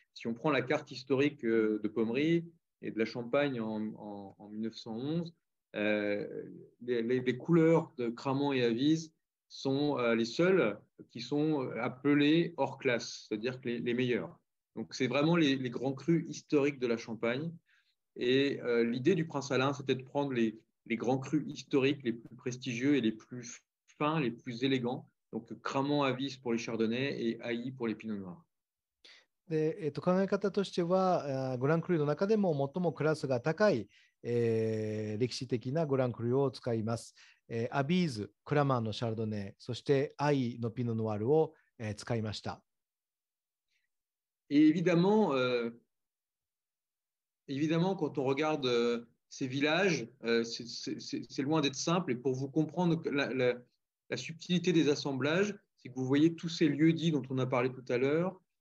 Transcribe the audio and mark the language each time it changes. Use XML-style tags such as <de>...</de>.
<fr>Si on prend la carte historique de Pommerie et de la Champagne en 1911, les couleurs de Cramant et Avize sont les seules qui sont appelées hors classe, c'est-à-dire que les meilleures. Donc c'est vraiment les grands crus historiques de la Champagne. Et l'idée du Prince Alain, c'était de prendre les grands crus historiques les plus prestigieux et les plus fins, les plus élégants. Donc, Cramant Avize pour les Chardonnay et Ailly pour les Pinot Noir.</fr> <ja>で、考え方としては、グランクルーの中でも最もクラスが高い、歴史的なグランクルーを使います。アビーズ、クラマンのシャルドネ、そしてアイのピノノワールを、使いました。</ja> <fr>Et évidemment, évidemment, quand on regarde ces villages, c'est loin d'être simple. Et pour vous comprendre la subtilité des assemblages, c'est que vous voyez tous ces lieux dits dont on a parlé tout à l'heure.</fr>